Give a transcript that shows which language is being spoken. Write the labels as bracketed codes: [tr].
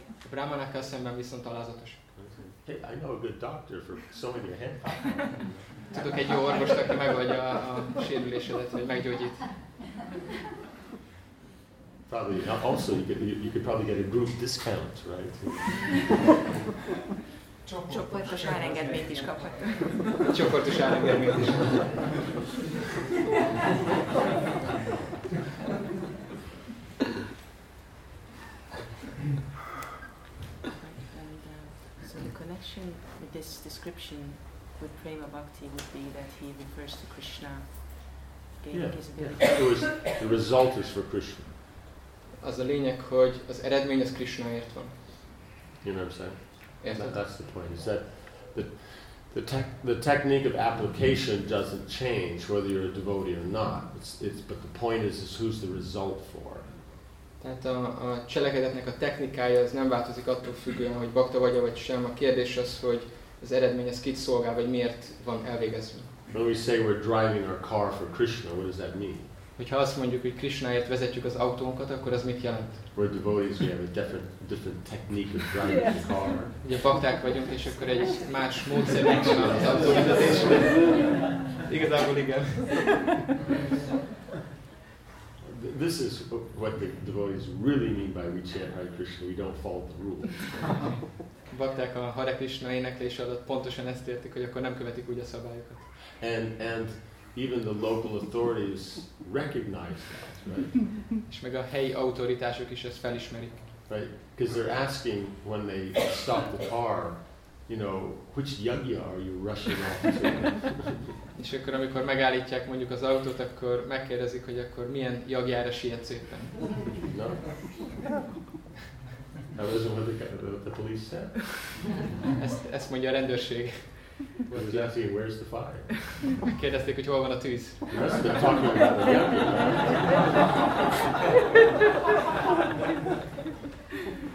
[hu] Brahmanakkal szemben viszont alázatos. [en] Hey, I know a good doctor for sewing your hand. [hu] Tudok egy jó orvost, aki megoldja a sérülésedet, vagy meggyógyít. [en] Probably also you could probably get a group discount, right? [hu] Csoportos árengedményt is kaphatok. Csoportos árengedményt is. [en] So the connection with this description with Prema Bhakti would be that he refers to Krishna gaining his ability. Yeah. The result is for Krishna. [hu] Az a lényeg, hogy az eredmény az Krishnaért van. [en] You know what I'm saying? That's the point. Is that the technique of application doesn't change whether you're a devotee or not. But the point is who's the result for. [hu] Tehát a cselekedetnek a technikája az nem változik attól függően, hogy bakta vagy vagy sem. A kérdés az, hogy az eredmény az kit szolgál, vagy miért van elvégezve. [en] When we say we're driving our car for Krishna, what does that mean? [hu] Hogyha azt mondjuk, hogy Krishnaért vezetjük az autónkat, akkor az mit jelent? [en] We're devotees, we have a different technique of driving the car. [hu] Ugye bakták vagyunk, és akkor egy más módszer megcsinál az autóvezetésre. Igazából igen. [en] This is what the devotees really mean by we chant Hare Krishna, we don't follow the rules. [hu] Bakták a Hare Krishna éneklés alatt pontosan ezt értik, hogy akkor nem követik úgy a szabályokat. [en] And even the local authorities recognize that, right? [hu] És meg a helyi autoritások is ezt felismerik. [en] Right, because they're asking when they stop the car, you know, which yagya are you rushing off to? [hu] És akkor amikor megállítják mondjuk az autót, akkor megkérdezik, hogy akkor milyen jagjára sietsz éppen. [en] No? That wasn't what the police said. [hu] Ezt mondja a rendőrség. [en] Well, he was asking, where's the fire? [hu] Kérdezték, hogy hol van a tűz. [en] You must have been talking about the yagya, right?